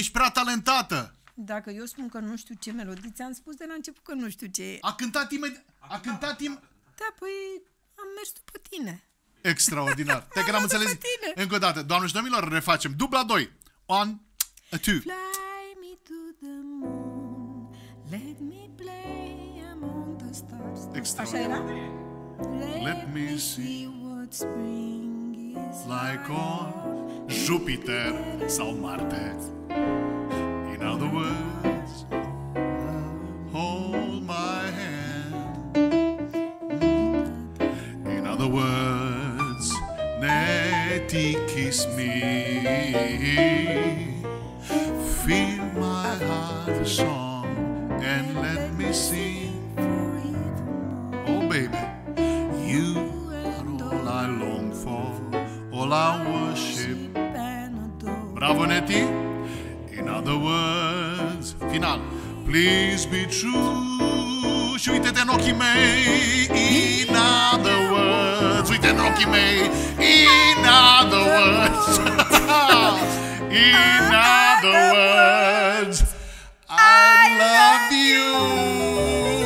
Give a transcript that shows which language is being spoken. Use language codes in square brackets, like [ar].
[ro] Ești prea talentată. Dacă eu spun că nu știu ce melodie, ți-am spus de la început că nu știu ce e. A cântat imediat. A cântat imediat. Da, păi am mers după tine. Extraordinar. Te că n-am înțeles. Încă o dată, doamne și domnilor, refacem. Dubla 2. 1, 2. [en] Fly me to the moon. Let me play among the stars. [ro] Extraordinar. [en] Let me see what spring is like on Jupiter [ro] sau Marte. [en] In other words, hold my hand. In other words, Neti, kiss me. Feel my heart song and let me sing for it. Oh baby, you are all I long for, all I worship. Bravo, Neti. In other words, final, please be true. [ro] Și uite-te în ochii mei. [en] In other words, [ro] uite-te în ochii mei. [en] In other words, in other words, I love you.